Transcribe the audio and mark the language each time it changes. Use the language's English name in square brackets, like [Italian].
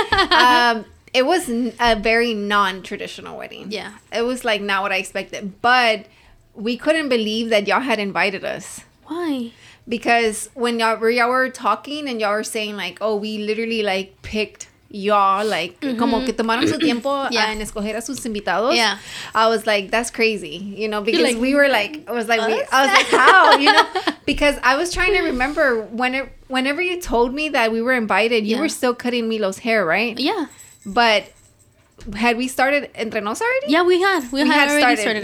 [English] it was a very non-traditional wedding. Yeah. It was like not what I expected, but we couldn't believe that y'all had invited us. Why? Because when y'all were talking and y'all were saying like, oh, we literally like picked y'all, like, mm-hmm. [Spanish] como que tomaron su tiempo en escoger a sus invitados. [English] Yeah. I was like, that's crazy, you know, because like, we were like, how, you know, because I was trying to remember whenever you told me that we were invited, you were still cutting Milo's hair, right? Yeah. But had we started Entre Nos already? Yeah, we had already started.